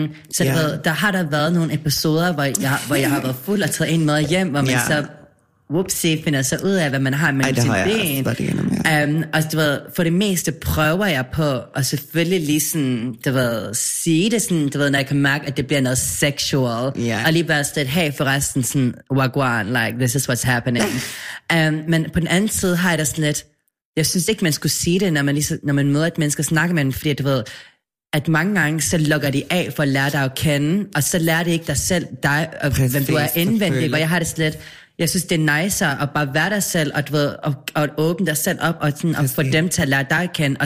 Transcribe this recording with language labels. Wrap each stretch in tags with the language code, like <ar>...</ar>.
<da>Så du ved, der har der været nogle episoder, hvor jeg har været fuld og taget en med hjem, hvor man så whoopsie, finder sig ud af, hvad man har mellem sine ben. Og du ved, for det meste prøver jeg på at selvfølgelig lige sådan, du ved, sige det sådan, du ved, når jeg kan mærke, at det bliver noget sexual.</da> <en>Yeah.</en> <da>Og lige bare sted, hey, forresten sådan, wagwan,</da> <en>like, this is what's happening.</en> <da>men på den anden side har jeg da sådan lidt, jeg synes ikke, man skulle sige det, når man møder et menneske og snakker med dem, fordi du ved, at mange gange, så lukker de af for at lære dig at kende, og så lærer de ikke dig selv, dig, og præcis, hvem du er indvendig, hvor jeg har det sådan lidt, jeg synes, det er nicer at bare være dig selv, og, du ved, og åbne dig selv op, og, sådan, og få dem til at lære dig at kende.</da>